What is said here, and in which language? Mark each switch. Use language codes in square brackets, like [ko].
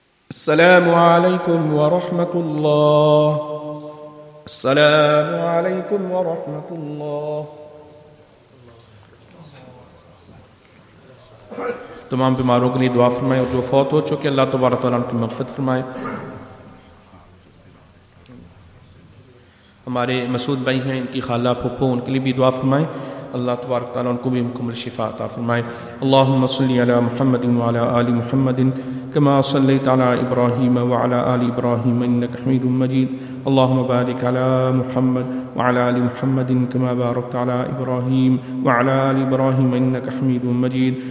[ar] السلام عليكم ورحمة الله. السلام عليكم ورحمة الله. [ur] تمام بیماروں کے لیے دعا فرمائے، اور جو فوت ہو چکے اللہ تبارک تعالیٰ ان کی مغفرت فرمائے. ہمارے مسعود بھائی ہیں، ان کی خالہ پھپھو، ان کے لیے بھی دعا فرمائے، اللہ تبارک تعالیٰ ان کو بھی مکمل شفا عطا فرمائے. [ar] اللہم صلی علی محمد وعلی آل محمد كما صليت على ابراهيم وعلى ال ابراهيم انك حميد مجيد. اللهم بارك على محمد وعلى ال محمد كما باركت على ابراهيم وعلى ال ابراهيم انك حميد مجيد.